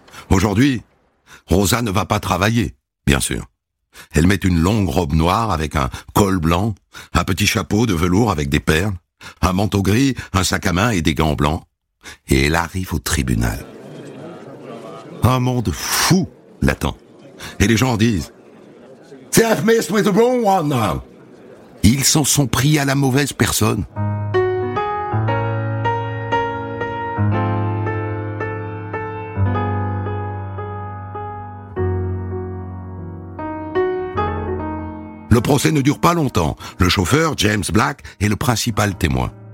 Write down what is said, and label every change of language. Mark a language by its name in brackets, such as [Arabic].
[French] Aujourd'hui, Rosa ne va pas travailler, bien sûr. Elle met une longue robe noire avec un col blanc, un petit chapeau de velours avec des perles, un manteau gris, un sac à main et des gants blancs. Et elle arrive au tribunal. Un monde fou l'attend. Et les gens disent [English] « They have messed with the wrong one now !» [French] Ils s'en sont pris à la mauvaise personne. Le procès ne dure pas longtemps. Le chauffeur, James Black, est le principal témoin.